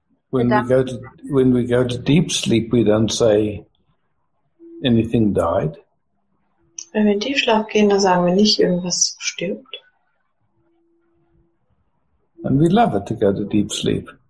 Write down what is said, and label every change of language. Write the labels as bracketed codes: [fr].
[en] When we go to deep sleep, we don't say anything died. [de] Wenn wir in Tiefschlaf gehen, dann sagen wir nicht, irgendwas stirbt. [en] And we love it to go to deep sleep.